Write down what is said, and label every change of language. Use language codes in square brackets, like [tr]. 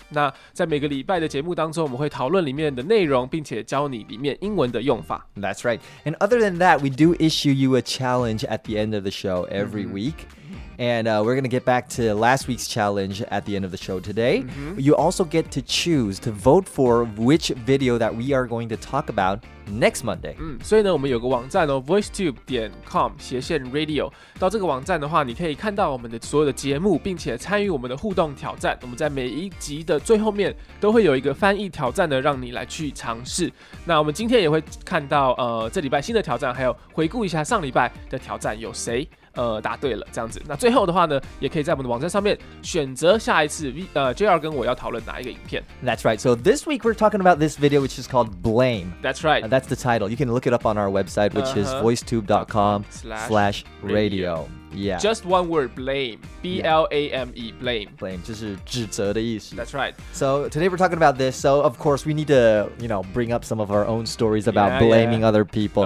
[zh] 那在每个礼拜的节目当中，我们会讨论里面的内容，并且教你里面英文的用法。 [en] That's right. And other than that, we do issue you a challenge at the end of the show every week. And we're going to get back to last week's challenge at the end of the show today. You also get to choose to vote for which video that we are going to talk about next Monday. [zh] 所以呢，我们有个网站哦 voicetube.com/radio。到这个网站的话，你可以看到我们的所有的节目，并且参与我们的互动挑战。我们在每一集的最后面都会有一个翻译挑战呢，让你来去尝试。那我们今天也会看到这礼拜新的挑战，还有回顾一下上礼拜的挑战有谁。答对了，这样子。那最后的话呢，也可以在我们的网站上面选择下一次 JR 跟我要讨论哪一个影片。 [en] That's right. So this week we're talking about this video, which is called Blame. That's right. That's the title. You can look it up on our website, which is voicetube.com/radio. Yeah. Just one word, blame. B-L-A-M-E, blame. [zh] Blame, 就是指责的意思。 [en] That's right. So today we're talking about this. So of course we need to, you know, bring up some of our own stories about blaming other people.